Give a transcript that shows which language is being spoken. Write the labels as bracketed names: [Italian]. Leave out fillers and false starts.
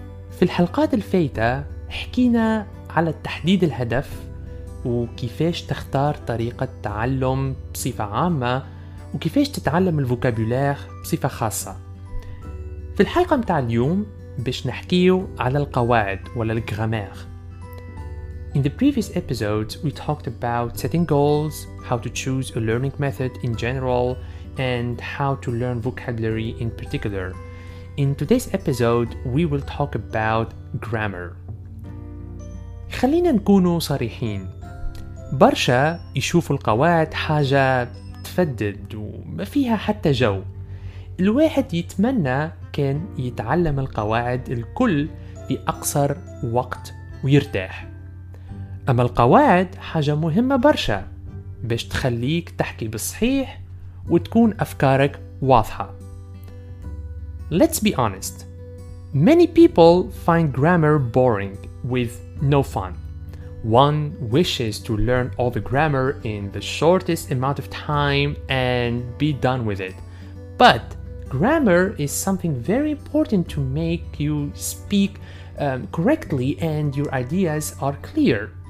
[Arabic] في الحلقات الفايتة حكينا على تحديد الهدف وكيفاش تختار طريقة تعلم بصفة عامة وكيفاش تتعلم الفوكابولير بصفة خاصة. في الحلقة متاع اليوم باش نحكيو على القواعد ولا الجرامير. [English] In the previous episodes we talked about setting goals, how to choose a learning method in general and how to learn vocabulary in particular. In today's episode, we will talk about grammar. [Arabic] خلينا نكونوا صريحين. برشا يشوفوا القواعد حاجة تفدد وما فيها حتى جو. الواحد يتمنى كان يتعلم القواعد الكل في أقصر وقت ويرتاح. أما القواعد حاجة مهمة برشا باش تخليك تحكي بالصحيح وتكون أفكارك واضحة. [English] Let's be honest. Many people find grammar boring with no fun. One wishes to learn all the grammar in the shortest amount of time and be done with it. But grammar is something very important to make you speak correctly and your ideas are clear.